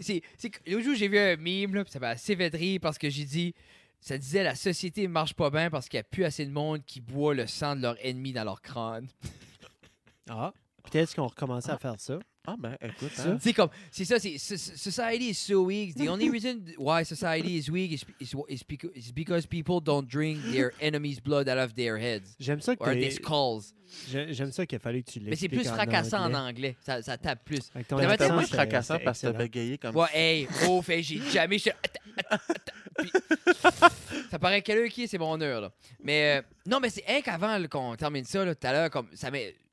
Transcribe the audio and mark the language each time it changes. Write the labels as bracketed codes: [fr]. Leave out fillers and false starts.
[fr] C'est l'autre jour, j'ai vu un mime, là, puis ça m'a assez fait rire parce que j'ai dit. Ça disait la société marche pas bien parce qu'il n'y a plus assez de monde qui boit le sang de leur ennemi dans leur crâne. Ah. Peut-être qu'on recommençait à faire ça. Ah ben, écoute, c'est ça. C'est comme, c'est ça, c'est [en] society is so weak. The only reason why society is weak is because people don't drink their enemies' blood out of their heads. [fr] J'aime ça que [en] or their skulls. [fr] J'aime ça qu'il a fallu que tu l'expliques. Mais c'est plus fracassant en anglais. Ça tape plus. C'est moins fracassant parce que t'as bégayé comme ça. Ouais, hey, oh, fait, j'ai jamais. Ça paraît quel heure qui est, c'est mon heure, là. Mais non, mais c'est hein, qu'avant là, qu'on termine ça, là, tout à l'heure, comme ça m'est.